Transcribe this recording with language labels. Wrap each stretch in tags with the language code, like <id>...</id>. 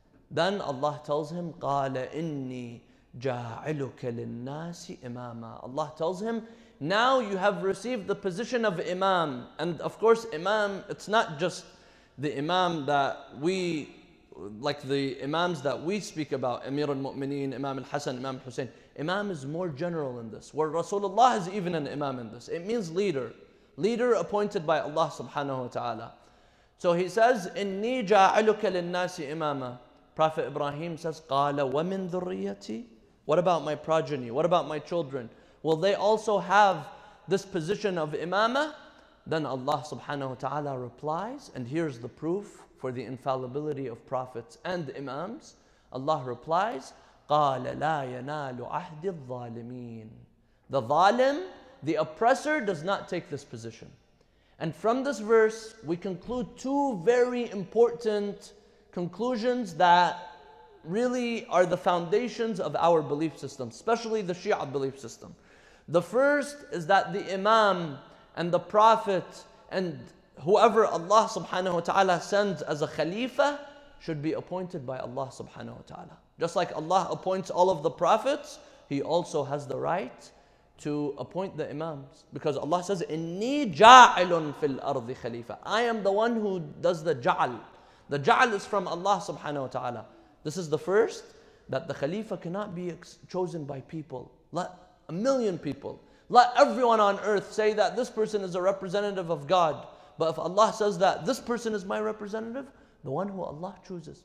<en>Then Allah tells him,</en> <ar>قَالَ إِنِّي جَاعِلُكَ لِلنَّاسِ إِمَامًا.</ar> <en>Allah tells him, now you have received the position of Imam. And of course, Imam, it's not just the Imam that we, like the Imams that we speak about, Amir al-Mu'mineen, Imam al-Hasan, Imam al-Husayn. Imam is more general in this, where Rasulullah is even an Imam in this. It means leader. Leader appointed by Allah subhanahu wa ta'ala. So he says,</en> <ar>إِنِّي جَاعِلُكَ لِلنَّاسِ إِمَامًا.</ar> <en>Prophet Ibrahim says,</en> <ar>قَالَ وَمِن ذُرِّيَّتِي.</ar> <en>What about my progeny? What about my children? Will they also have this position of imama? Then Allah subhanahu wa ta'ala replies, and here's the proof for the infallibility of prophets and imams. Allah replies,</en> <ar>قَالَ لَا يَنَالُ عَهْدِ الظَّالِمِينَ.</ar> <en>The zalim, the oppressor, does not take this position. And from this verse, we conclude two very important conclusions that really are the foundations of our belief system, especially the Shia belief system. The first is that the Imam and the Prophet and whoever Allah subhanahu wa ta'ala sends as a Khalifa should be appointed by Allah subhanahu wa ta'ala. Just like Allah appoints all of the Prophets, He also has the right to appoint the Imams. Because Allah says,</en> <ar>إِنِّي جَاعِلٌ فِي الْأَرْضِ خَلِيفَةً.</ar> <en>I am the one who does the ja'al. The ja'al is from Allah subhanahu wa ta'ala. This is the first, that the Khalifa cannot be chosen by people. Let a million people, let everyone on earth say that this person is a representative of God. But if Allah says that this person is my representative, the one who Allah chooses.</en>